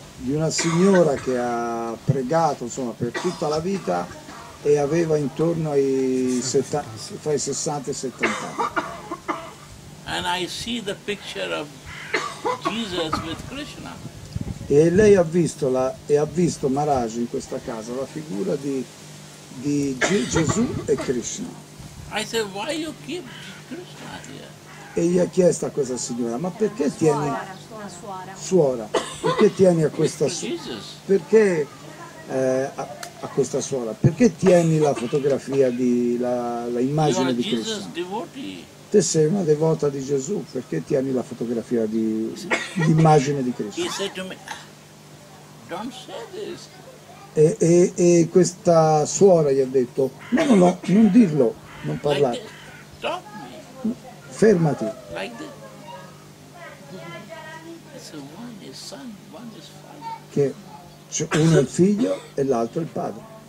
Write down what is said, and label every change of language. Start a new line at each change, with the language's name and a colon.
Italian: Di una signora che ha pregato, insomma, per tutta la vita. E aveva intorno ai 70, fra i 60 e 70 anni.
English: And I see the picture of Jesus with Krishna.
Italian: E lei ha visto Maharaj in questa casa la figura di Gesù e Krishna.
English: I said, why you keep Krishna here?
Italian: E gli ha chiesto a questa signora, ma perché tieni suora? Perché tieni a questa suora? Perché a questa suora, perché tieni la fotografia di la immagine di Cristo? Te sei una devota di Gesù, perché tieni la fotografia di l'immagine di Cristo?
English: He said to me, don't say this.
Italian: E questa suora gli ha detto, no, non dirlo, non parlare.
English: Like this. Stop me.
Italian: Fermati.
English: Like this. It's a one is son, one is father.
Italian: Che cioè uno è il figlio e l'altro è il padre.